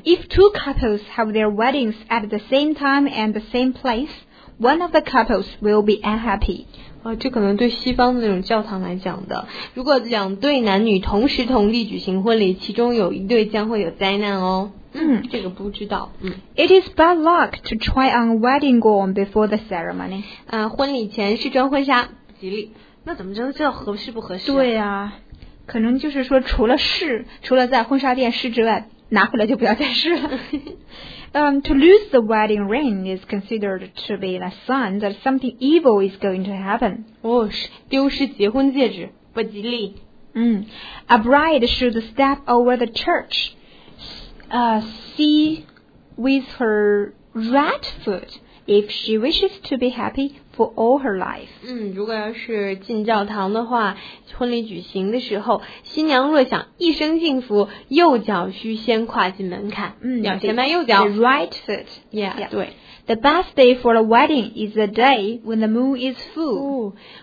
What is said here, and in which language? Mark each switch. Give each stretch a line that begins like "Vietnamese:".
English: If two couples have their weddings at the same time and the same place, one of the couples will be unhappy.
Chinese: 这可能对西方的那种教堂来讲的。如果两对男女同时同地举行婚礼，其中有一对将会有灾难哦。这个不知道。
English: It is bad luck to try on a wedding gown before the ceremony.
Chinese: 婚礼前试穿婚纱不吉利。那怎么知道合适不合适？对呀、可能就是说除了在婚纱店试之外，拿回来就不要再试了。
English: to lose the wedding ring is considered to be a sign that something evil is going to happen.
Chinese: 丢失结婚戒指不吉利。
English: A bride should step over the church, see with her right foot if she wishes to be happy. For all her life.
Chinese: 如果要是进教堂的话，婚礼举行的时候，新娘若想一生幸福，右脚需先跨进门槛。要先迈右脚。
English: The right foot. Yeah. 对。 The best day for a wedding is the day when the moon is full.